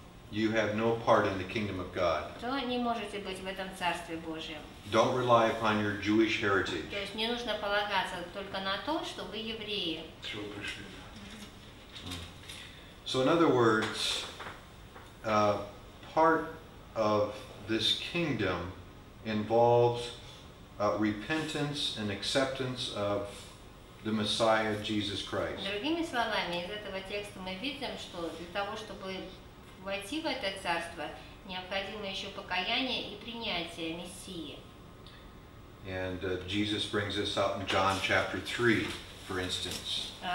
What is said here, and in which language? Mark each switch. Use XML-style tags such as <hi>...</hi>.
<en>you have no part in the kingdom of God.</en> <ru>То не можете быть в этом царстве Божьем.</ru> <en>Don't rely upon your Jewish heritage.</en> <ru>То есть не нужно полагаться только на то, что вы евреи.</ru> <en>So in other words, part of this kingdom involves repentance and acceptance of the Messiah Jesus Christ.</en> <ru>Другими словами, из этого текста мы видим, что для того, чтобы войти в это царство, необходимо еще покаяние и принятие Мессии.</ru> <en>And Jesus brings this out in John chapter 3, for instance.</en>